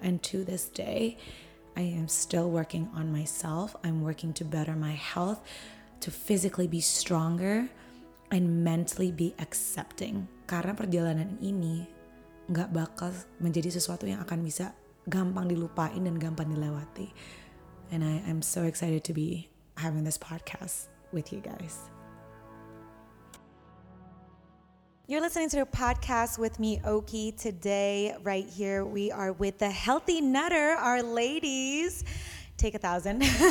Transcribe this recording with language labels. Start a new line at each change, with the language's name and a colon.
English: And to this day, I am still working on myself. I'm working to better my health, to physically be stronger, and mentally be accepting.
Indonesian: Karena perjalanan ini gak bakal menjadi sesuatu yang akan bisa gampang dilupain dan gampang dilewati.
English: And I'm so excited to be having this podcast with you guys. You're listening to a podcast with me, Oki. Today, right here, we are with the Healthy Nutter, our ladies. Take 1,000.